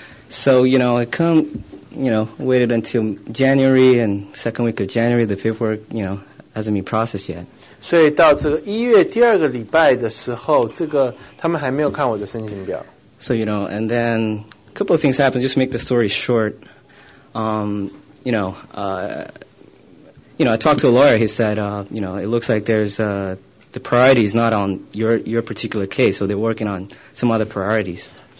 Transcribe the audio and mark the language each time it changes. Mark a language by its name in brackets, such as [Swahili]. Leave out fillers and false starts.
[English] So waited until January and second week of January, the paperwork, hasn't been processed yet. [Chinese] 所以到这个1月第二个礼拜的时候，这个他们还没有看我的申请表。 [English] So, and then a couple of things happened, just to make the story short. I talked to a lawyer, he said, it looks like there's the priority is not on your particular case, so they're working on some other priorities.